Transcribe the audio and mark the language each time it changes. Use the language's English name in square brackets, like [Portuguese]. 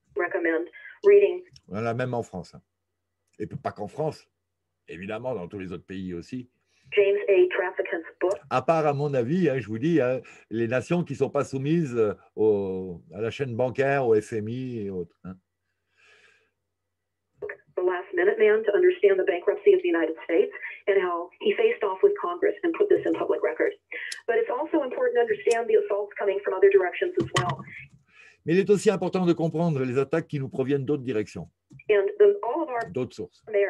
[English] Recommend reading. [French] Voilà, même en France. Et pas qu'en France. Évidemment, dans tous les autres pays aussi. [English] James A. Traficant's book. [French] À part, à mon avis, hein, je vous dis, hein, les nations qui ne sont pas soumises à la chaîne bancaire, au FMI et autres. Hein. [English] The Last Minuteman to understand the bankruptcy of the United States and how he faced off with Congress and put this in public record. But it's also important to understand the assaults coming from other directions as well. [French] Mais il est aussi important de comprendre les attaques qui nous proviennent d'autres directions, d'autres sources.